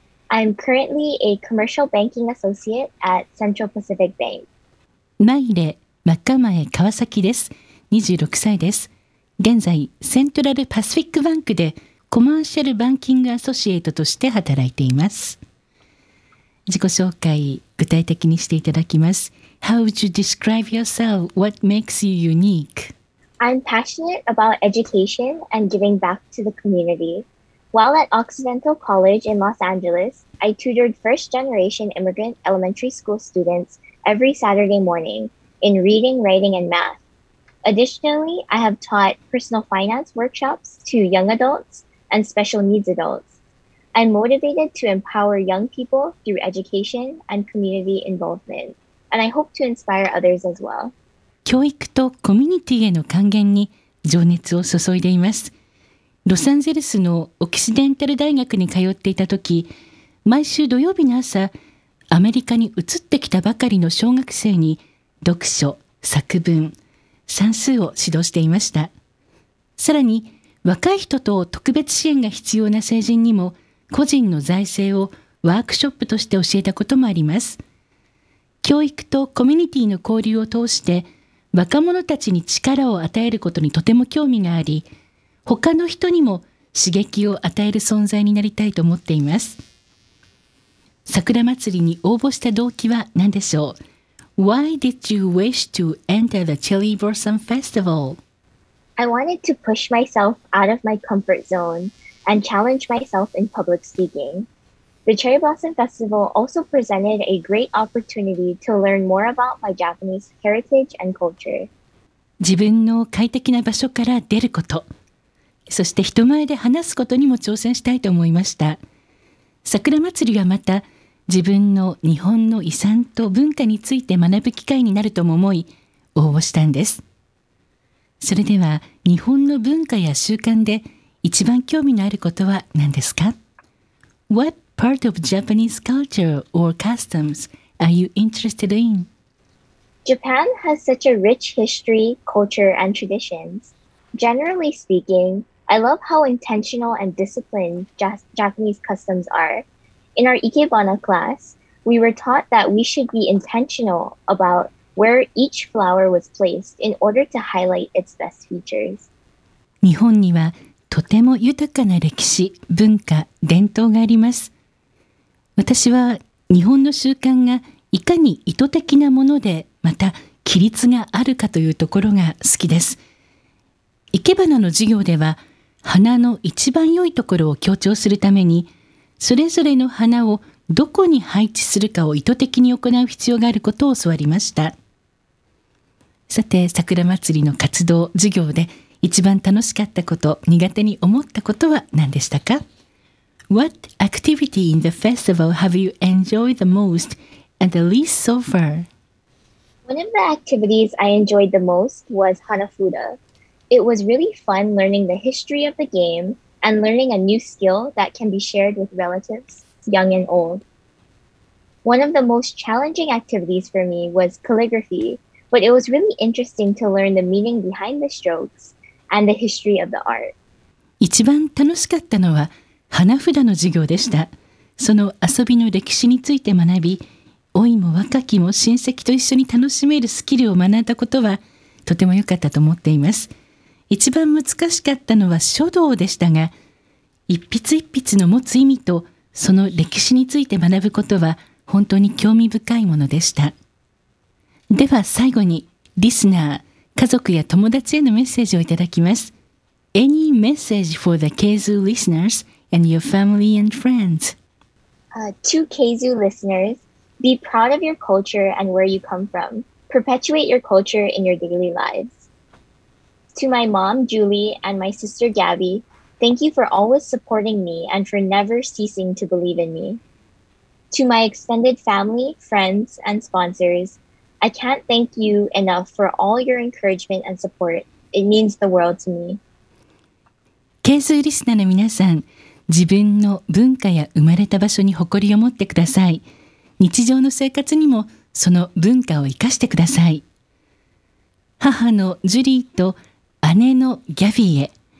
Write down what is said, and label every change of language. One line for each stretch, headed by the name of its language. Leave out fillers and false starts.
English: I'm currently a commercial banking associate at Central Pacific Bank.
Japanese: Maile Makamae Kawasaki です。26歳です。現在、Central Pacific Bank でコマーシャルバンキングアソシエイトとして働いています。自己紹介、具体的にしていただきます。
English: How would you describe yourself? What makes you unique? I'm passionate about education and giving back to the community. While at Occidental College in Los Angeles, I tutored first-generation immigrant elementary school students every Saturday morning in reading, writing, and math. Additionally, I have taught personal finance workshops to young adults and special needs adults. I'm motivated to empower young people through education and community involvement, and I hope to inspire others as well.
Japanese: 教育とコミュニティへの還元に情熱を注いでいます。ロサンゼルスのオキシデンタル大学に通っていた時、毎週土曜日の朝、アメリカに移ってきたばかりの小学生に読書、作文、算数を指導していました。さらに、若い人と特別支援が必要な成人にも個人の財政をワークショップとして教えたこともあります。教育とコミュニティの交流を通して、若者たちに力を与えることにとても興味があり、他の人にも刺激を与える存在になりたいと思っています。桜祭りに応募した動機は何でしょう?
English: Why did you wish to enter the Chili Blossom Festival? I wanted to push myself out of my comfort zone and challenge myself in public speaking. The Chili Blossom Festival also presented a great opportunity to learn more about my Japanese heritage and culture.
Japanese: 自分の快適な場所から出ること、そして人前で話すことにも挑戦したいと思いました。桜祭りはまた自分の日本の遺産と文化について学ぶ機会になるとも思い、応募したんです。それでは、日本の文化や習慣で一番興味のあることは何ですか?
English: What? Part of Japanese culture or customs are you interested in? Japan has such a rich history, culture, and traditions. Generally speaking, I love how intentional and disciplined Japanese customs are. In our Ikebana class, we were taught that we should be intentional about where each flower was placed in order to highlight its best features.
Japanese: 日本にはとても豊かな歴史、文化、伝統があります。私は日本の習慣がいかに意図的なもので、また規律があるかというところが好きです。いけばなの授業では、花の一番良いところを強調するために、それぞれの花をどこに配置するかを意図的に行う必要があることを教わりました。さて、桜祭りの活動、授業で一番楽しかったこと、苦手に思ったことは何でしたか?
English: What activity in the festival have you enjoyed the most and the least so far? One of the activities I enjoyed the most was Hanafuda. It was really fun learning the history of the game and learning a new skill that can be shared with relatives, young and old. One of the most challenging activities for me was calligraphy, but it was really interesting to learn the meaning behind the strokes and the history of the art.
Japanese: 一番楽しかったのは花札の授業でした。その遊びの歴史について学び、老いも若きも親戚と一緒に楽しめるスキルを学んだことはとても良かったと思っています。一番難しかったのは書道でしたが、一筆一筆の持つ意味とその歴史について学ぶことは本当に興味深いものでした。では最後に、リスナー、家族や友達へのメッセージをいただきます。
English: Any message for the Keizu listeners? And your family and friends. To Keizu listeners, be proud of your culture and where you come from. Perpetuate your culture in your daily lives. To my mom, Julie, and my sister, Gabby, thank you for always supporting me and for never ceasing to believe in me. To my extended family, friends, and sponsors, I can't thank you enough for all your encouragement and support. It means the world to me. Keizu listener
Japanese: の皆さん自分の文化や生まれた場所に誇りを持ってください。日常の生活にもその文化を生かしてください。母のジュリーと姉のギャビーへ。